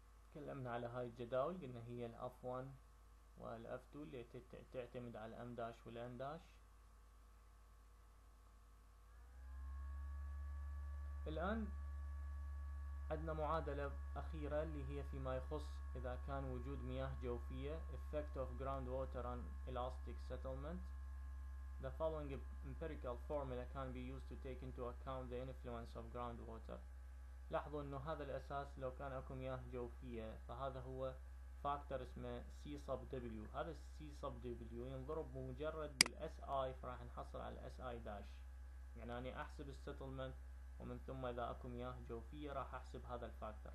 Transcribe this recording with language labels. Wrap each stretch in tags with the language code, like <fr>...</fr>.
<ar>تكلمنا على هاي الجداول، قلنا هي الـ F1 والـ F2 اللي تعتمد على الـ M داش والـ N داش، الآن عندنا معادلة أخيرة اللي هي فيما يخص إذا كان وجود مياه جوفية</ar> <en>effect of groundwater on elastic settlement. The following empirical formula can be used to take into account the influence of groundwater.</en> <ar>لاحظوا إنه هذا الأساس لو كان أكو مياه جوفية فهذا هو فاكتور اسمه C sub W. هذا C sub W ينضرب بمجرد بالS I فراح نحصل على S I dash. يعني أنا أحسب السيتلمنت ومن ثم إذا أكو مياه جوفية راح أحسب هذا الفاكتور.</ar>